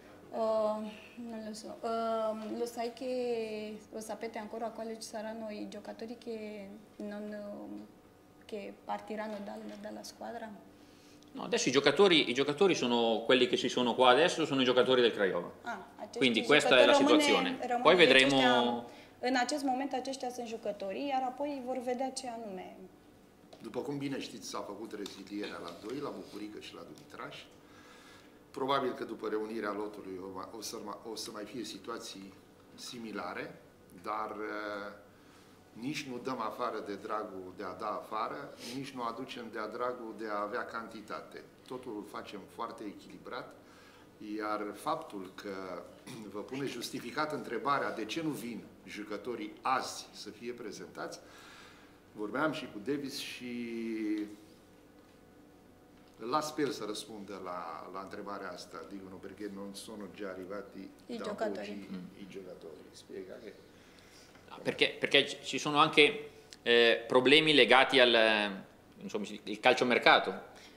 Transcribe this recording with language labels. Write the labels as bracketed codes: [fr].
[it] Non lo so, lo sai che lo sapete ancora quali ci saranno i giocatori che non che partiranno dalla squadra? No, adesso i giocatori sono quelli che ci sono qua adesso, sono i giocatori del Craiova. Quindi questa è la situazione. Poi vedremo. [ro] In acest moment aceștia sunt jucători, iar apoi vor vedea ce anume. După cum bine știți, s-a făcut rezilierea la doi, la Bucurică și la Dumitraș. Probabil că după reunirea lotului o să mai fie situații similare, dar nici nu dăm afară de dragul de a da afară, nici nu aducem de a dragul de a avea cantitate. Totul îl facem foarte echilibrat, iar faptul că vă pune justificat întrebarea de ce nu vin jucătorii azi să fie prezentați, vorbeam și cu Davis și... Las pe el să răspundă la întrebarea asta, [it] dicono perché non sono già arrivati i giocatori. I giocatori. Spiega che... perché ci sono anche problemi legati al insomma, il calciomercato.